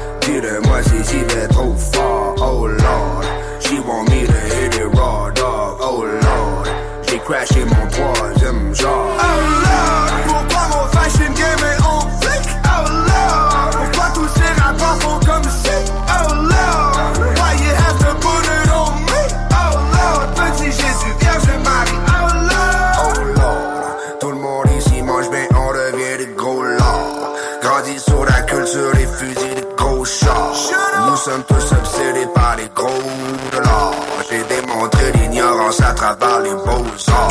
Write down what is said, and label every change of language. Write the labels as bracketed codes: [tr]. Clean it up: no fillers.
[fr] Dis-le-moi si j'y vais trop fort, [en] oh lord. She want me to hit it raw, dog, oh lord. [fr] J'ai crashé mon troisième genre. [en] Oh lord, [fr] pourquoi mon fashion game est [en] on fleek? Oh lord, [fr] pourquoi tous ces rappeurs font comme si? [en] Oh lord, why you have to put it on me? Oh lord, [fr] petit Jésus, Vierge Marie. [en] Oh lord, oh lord, [fr] tout le monde ici mange bien, on devient des gros lords. Grandis sur la culture, les fusils de gros chars. Nous sommes tous obsédés par les gros dollars. J'ai démontré l'ignorance à travers les beaux-arts.